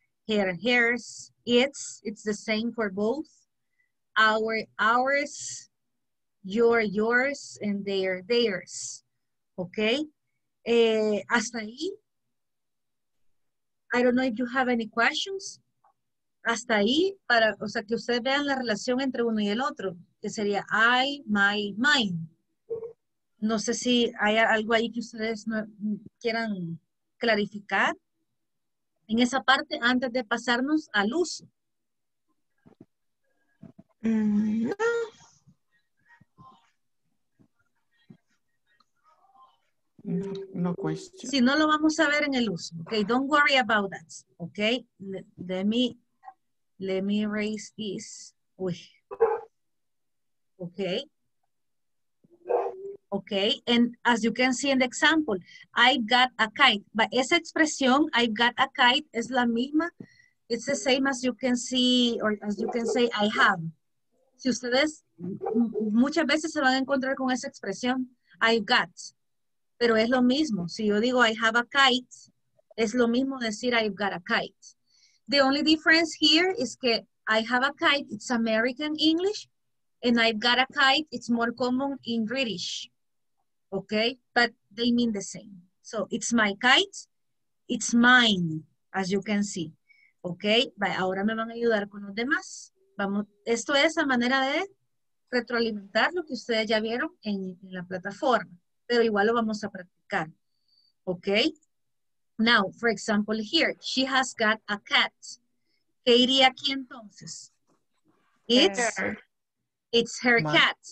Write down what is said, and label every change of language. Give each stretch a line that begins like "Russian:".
English: Here, here's, it's the same for both. Our, ours, your, yours, and their, theirs. Okay?
Spanish: Hasta ahí.
English: I don't know if you have any questions.
Spanish: Hasta ahí, para, o sea, que ustedes vean la relación entre uno y el otro, que sería I, my, mine. No sé si hay algo ahí que ustedes no, quieran clarificar. En esa parte, antes de pasarnos al uso.
English: No question.
Spanish: Si no, lo vamos a ver en el uso.
English: Okay, don't worry about that. Okay, let me erase this. Uy. Okay. Okay, and as you can see in the example, I got a kite. But
Spanish: esa expresión,
English: I got a kite,
Spanish: es la misma.
English: It's the same as you can see, or as you can say, I have.
Spanish: Si ustedes, muchas veces se van a encontrar con esa expresión,
English: I got.
Spanish: Pero es lo mismo. Si yo digo,
English: I have a kite,
Spanish: Es lo mismo decir
English: I've got a kite. The only difference here is
Spanish: que
English: I have a kite, it's American English, and I've got a kite, it's more common in British. Okay? But they mean the same. So it's my kite, it's mine, as you can see. Okay? But
Spanish: ahora me van a ayudar con los demás. Vamos, esto es la manera de retroalimentar lo que ustedes ya vieron en la plataforma. Pero igual lo vamos a practicar.
English: Okay? Now, for example, here, she has got a cat.
Spanish: ¿Qué iría aquí entonces?
English: It's her cat.